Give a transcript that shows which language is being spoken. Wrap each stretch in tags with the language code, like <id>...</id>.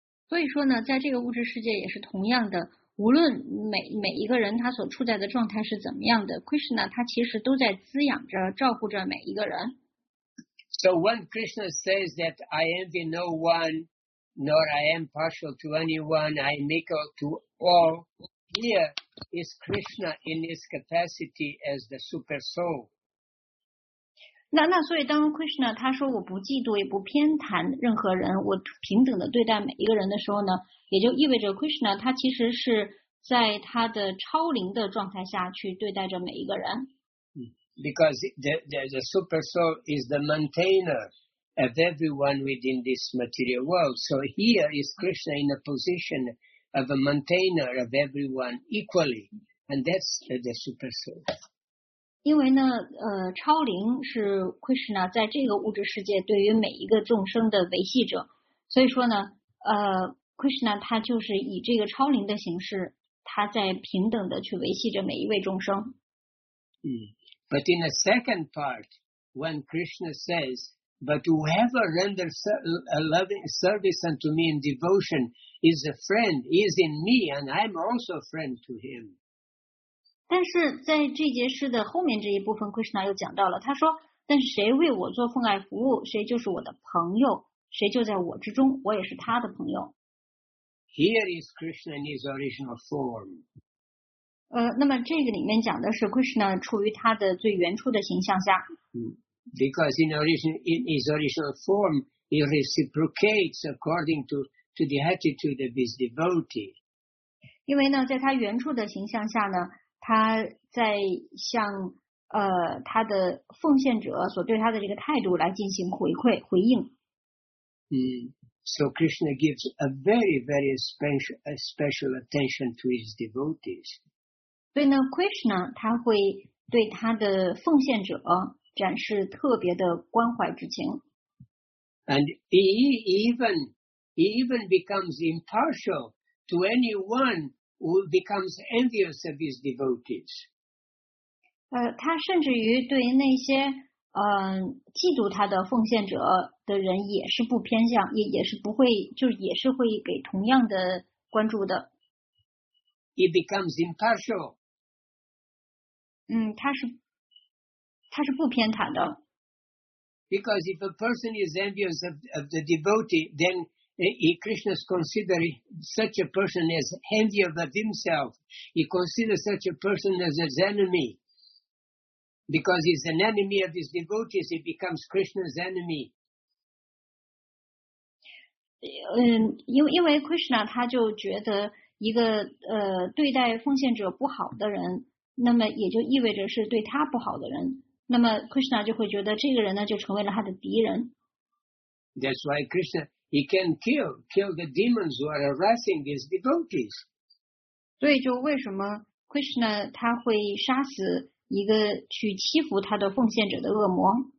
<zh>所以说呢，在这个物质世界也是同样的，无论每一个人他所处在的状态是怎么样的 ，Krishna 他其实都在滋养着、照顾着每一个人。</zh> <en>So when Krishna says that I envy no one, nor I am partial to anyone, I am equal to all, here is Krishna in his capacity as the super soul.</en> <zh>那所以当 Krishna 他说我不嫉妒也不偏袒任何人，我平等的对待每一个人的时候呢，也就意味着 Krishna 他其实是在他的超灵的状态下去对待着每一个人。</zh> <en>Because the super soul is the maintainer of everyone within this material world. So here is Krishna in a position of a maintainer of everyone equally. And that's the super soul.</en> <zh>因为呢超灵是 Krishna 在这个物质世界对于每一个众生的维系者。所以说呢Krishna 他就是以这个超灵的形式，他在平等的去维系着每一位众生。</zh> <en>But in the second part, when Krishna says, but whoever renders a loving service unto me in devotion is a friend, he is in me, and I'm also a friend to him.</en> <zh>但是在这节诗的后面这一部分 Krishna 又讲到了，他说，但是谁为我做奉爱服务，谁就是我的朋友，谁就在我之中，我也是他的朋友。</zh> <en>Here is Krishna in his original form.</en> <zh>那么这个里面讲的是 Krishna 处于他的最原初的形象下。</zh> <en>Because in his original form, he reciprocates according to the attitude of his devotee.</en> <zh>因为呢，在他原初的形象下呢，他在向他的奉献者所对他的这个态度来进行回馈回应。</zh> <en>So Krishna gives a very, very special attention to his devotees.</en> <zh>所以呢 ，Krishna 他会对他的奉献者展示特别的关怀之情。</zh> <en>And he even becomes impartial to anyone who becomes envious of his devotees.</en> <zh>他甚至于对那些嫉妒他的奉献者的人也是不偏向，也是不会，就是也是会给同样的关注的。</zh> <en>He becomes impartial.</en> <zh>他是不偏袒的。</zh> <en>Because if a person is envious of the devotee, then he Krishna considers such a person as envious of himself. He considers such a person as his enemy. Because he's an enemy of his devotees, he becomes Krishna's enemy.</en> <zh>因为 Krishna 他就觉得一个对待奉献者不好的人，那么也就意味着是对他不好的人。那么 Krishna 就会觉得这个人呢就成为了他的敌人。</zh> <en>That's why Krishna, he can kill the demons who are harassing his devotees.</en> <zh>所以就为什么 Krishna 他会杀死一个去欺负他的奉献者的恶魔。</zh>